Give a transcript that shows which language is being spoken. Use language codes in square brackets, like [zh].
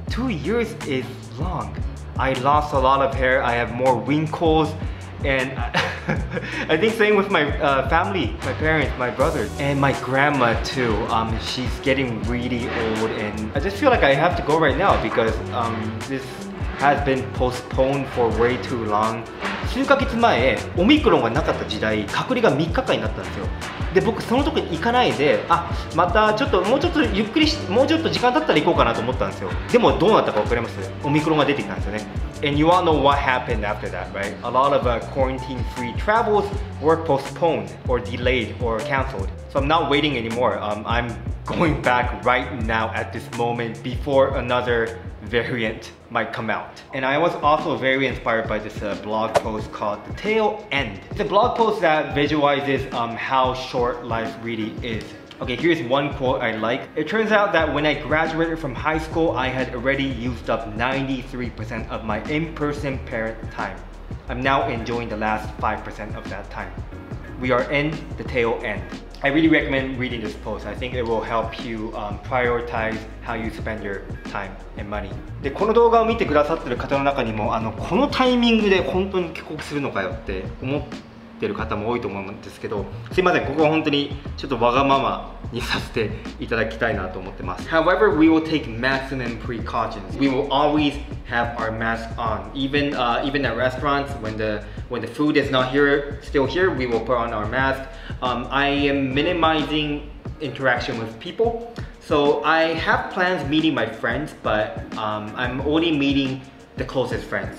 [en] 2 years is long. I lost a lot of hair, I have more wrinkles, and I think same with my family, my parents, my brothers, and my grandma too. She's getting really old, and I just feel like I have to go right now because this has been postponed for way too long. [ja] 数ヶ月前、オミクロンがなかった時代、隔離が3日間になったんですよ。で、僕そのとこに行かないで、あ、またちょっともうちょっとゆっくりし、もうちょっと時間経ったら行こうかなと思ったんですよ。でもどうなったか分かります？オミクロンが出てきたんですよね。 [en] And you all know what happened after that, right? A lot of quarantine-free travels were postponed or delayed or cancelled. So I'm not waiting anymore. I'm going back right now at this moment before another variant might come out. And I was also very inspired by this blog post called The Tail End. It's a blog post that visualizes how short life really is. Okay, here's one quote I like. It turns out that when I graduated from high school, I had already used up 93% of my in-person parent time. I'm now enjoying the last 5% of that time. We are in the tail end. I really recommend reading this post. I think it will help you prioritize how you spend your time and money. [ja] で、この動画を見てくださってる方の中にも、このタイミングで本当に帰国するのかよって思っている方も多いと思うんですけど、すいません、ここは本当にちょっとわがままにさせていただきたいなと思ってます。 [en] However, we will take maximum precautions. We will always have our mask on. Even at restaurants, when the food is not here, still here, we will put on our mask. I am minimizing interaction with people. So I have plans meeting my friends, but I'm only meeting the closest friends.